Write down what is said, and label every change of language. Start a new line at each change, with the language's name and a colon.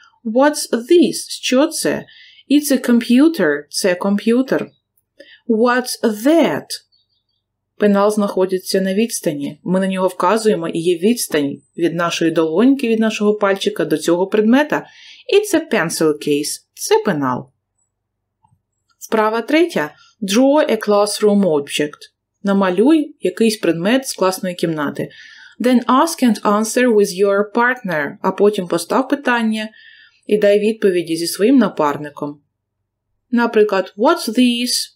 English: What's this?
Ukrainian: Що це?
English: It's a computer.
Ukrainian: Це комп'ютер.
English: What's that?
Ukrainian: Пенал знаходиться на відстані. Ми на нього вказуємо, і є відстань від нашої долоньки, від нашого пальчика до цього предмета.
English: It's a pencil case.
Ukrainian: Це пенал. Вправа третя.
English: Draw a classroom object.
Ukrainian: Намалюй якийсь предмет з класної кімнати.
English: Then ask and answer with your partner.
Ukrainian: А потім постав питання і дай відповіді зі своїм напарником. Наприклад,
English: what's this?